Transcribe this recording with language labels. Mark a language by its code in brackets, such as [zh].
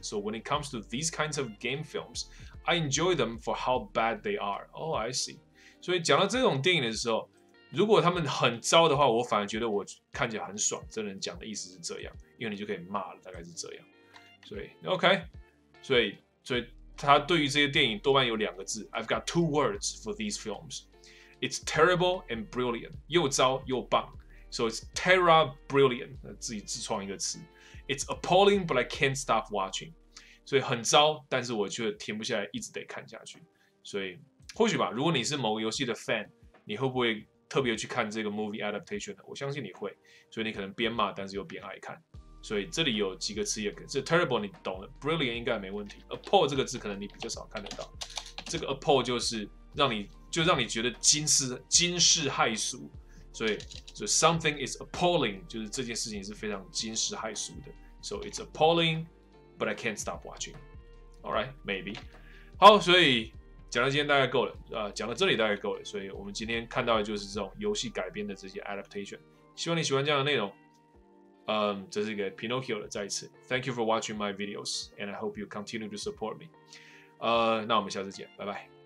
[en] So when it comes to these kinds of game films, I enjoy them for how bad they are. Oh, I see. [zh] 所以讲到这种电影的时候，如果他们很糟的话，我反而觉得我看起来很爽。这人讲的意思是这样，因为你就可以骂了，大概是这样。所以 OK， 所以他对于这些电影多半有两个字 ， [en] I've got two words for these films. It's terrible and brilliant. [zh] 又糟又棒。 [en] So it's terra brilliant， [zh] 自己自创一个词。 [en] It's appalling, but I can't stop watching. [zh] 所以很糟，但是我却停不下来，一直得看下去。所以或许吧，如果你是某个游戏的 fan， 你会不会特别去看这个 movie adaptation 呢？我相信你会。所以你可能边骂，但是又边爱看。所以这里有几个词也可以，这 terrible 你懂了 ，brilliant 应该没问题。 appall 这个字可能你比较少看得到，这个 appall 就让你觉得惊世骇俗。所以 something is appalling， 就是这件事情是非常惊世骇俗的。 [en] So it's appalling, but I can't stop watching. All right, maybe. [zh] 好，所以讲到今天大概够了，讲到这里大概够了。所以我们今天看到的就是这种游戏改编的这些 adaptation。希望你喜欢这样的内容。这是一个 Pinocchio 的再次。 [en] Thank you for watching my videos, and I hope you continue to support me. [zh] 那我们下次见，拜拜。